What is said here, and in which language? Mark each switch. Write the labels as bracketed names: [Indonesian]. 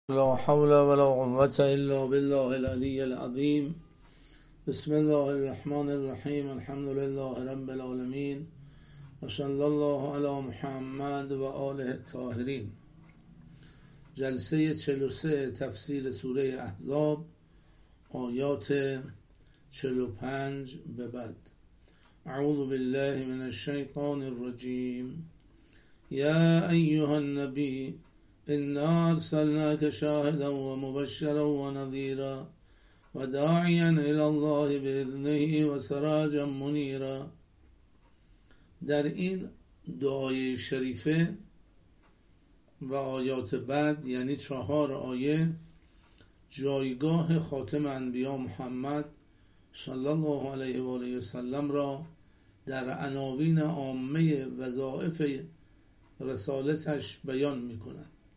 [Arabic] لا حول ولا قوة إلا بالله العلي العظيم. بسم الله الرحمن الرحيم. الحمد لله رب العالمين، وصلى الله على محمد وآله الطاهرين. [Persian] جلسه 43 تفسیر سوره احزاب، آیات 45 به بعد. [Arabic] اعوذ بالله من الشیطان الرجیم. یا ایها النبی إنا أرسلناك شاهدا ومبشرا ونذيرا وداعيا إلى الله بإذنه وسراجا منيرا. [Persian] در این دعای شریفه و آیات بعد، یعنی چهار آیه، جایگاه خاتم انبیا محمد صلی الله علیه و آله و سلم را در عناوین عامه وظایف رسالتش بیان می کند.